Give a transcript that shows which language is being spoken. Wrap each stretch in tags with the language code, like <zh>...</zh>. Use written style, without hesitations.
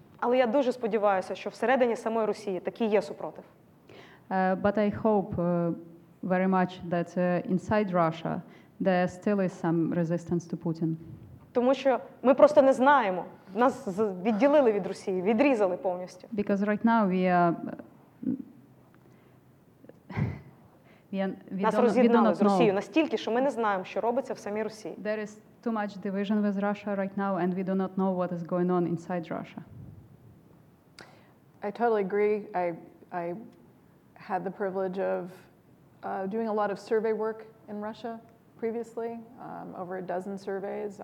<uk>Але я дуже сподіваюся, що всередині самої Росії такі є супротив.</uk> <en>But I hope very much that inside Russia there still is some resistance to Putin.</en> <uk>Тому що ми просто не знаємо. Нас відділили від Росії, відрізали повністю.</uk> <en>Because right now we don't</en> <uk>з Росією настільки, що ми не знаємо, що робиться в самій Росії.</uk> <en>There is too much division with Russia right now and we do not know what is going on inside Russia. I totally agree. I had the privilege of doing a lot of survey work in Russia previously, over a dozen surveys.</en>